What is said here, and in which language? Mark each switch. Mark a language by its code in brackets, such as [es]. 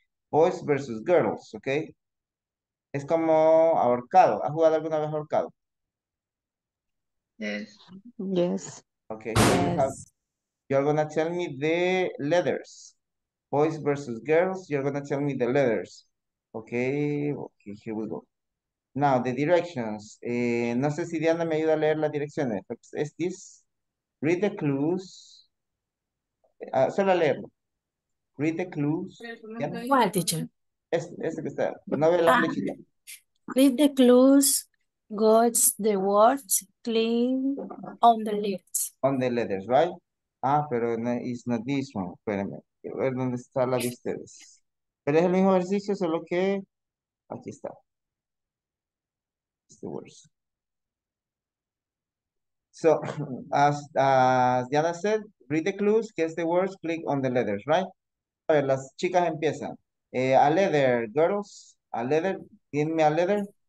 [en] Boys versus girls, okay? [es] Es como ahorcado. ¿Has jugado alguna vez ahorcado? [en] Yes. Okay. So yes. You're gonna tell me the letters. Boys versus girls, you're gonna tell me the letters. Okay, here we go. Now, the directions. [es] No sé si Diana me ayuda a leer las direcciones. [en] Es this. Read the clues. [es] Solo leerlo. [en] Read the clues. [es] ¿Cuál, teacher? Este que está. No veo la flechita. [en] Read the clues. Got the words clean on the letters. On the letters, right? Ah, [es] pero no, [en] it's not this one. [es] Espérenme. A ver dónde está la de ustedes. Pero es el mismo ejercicio, solo que aquí está. [en] The words. So, as Diana said, read the clues, guess the words, click on the letters, right? [es] A ver, las chicas empiezan. [en] A letter, girls, a letter, give me a letter.